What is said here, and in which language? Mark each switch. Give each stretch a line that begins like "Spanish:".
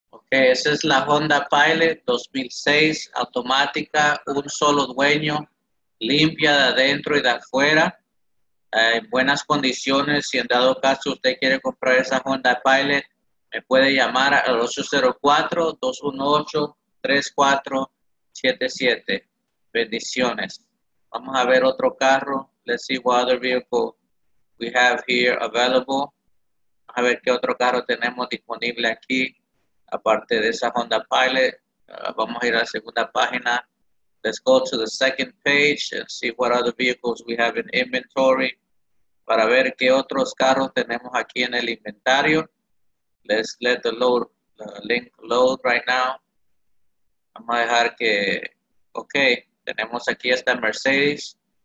Spanish: Esa es la Honda Pilot 2006, automática, un solo dueño, limpia de adentro y de afuera, en buenas condiciones. Si en dado caso usted quiere comprar esa Honda Pilot, me puede llamar al 804-218-3477. Bendiciones. Vamos a ver otro carro.
English: Let's see what other vehicle we have here available.
Spanish: Vamos a ver qué otro carro tenemos disponible aquí. Aparte de esa Honda Pilot, vamos a ir a la segunda página.
English: Let's go to the second page and see what other vehicles we have in inventory.
Spanish: Para ver qué otros carros tenemos aquí en el inventario.
English: Let's let the load, link load right now.
Spanish: Vamos a dejar que, okay, tenemos aquí esta Mercedes.